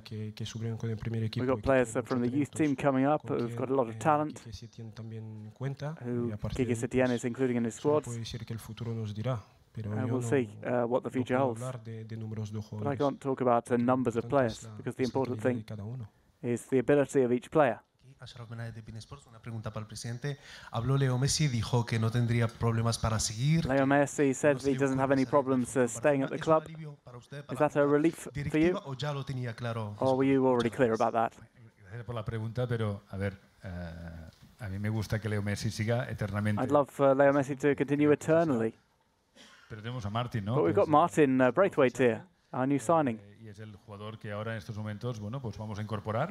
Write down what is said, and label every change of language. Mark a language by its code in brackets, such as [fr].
[en] We've got players from the youth team coming up who've got a lot of talent, who Quique Setién is including in his squads. And we'll see what the future holds. But I can't talk about the numbers of players, because the important thing is the ability of each player. [es] Una pregunta para el presidente. Habló Leo Messi, dijo que no tendría problemas para seguir. [en] Leo Messi said he doesn't have any problems staying at the club. Is that a relief for you? [es] O ya lo tenía claro. [en] Or were you already clear about that? [es] Gracias por la pregunta, pero a ver... A mí me gusta que Leo Messi siga eternamente. [en] I'd love for Leo Messi to continue eternally. [es] Pero tenemos a Martin, ¿no? [en] But we've got Martin Braithwaite here, our new signing. [es] Y es el jugador que ahora en estos momentos, bueno, pues vamos a incorporar.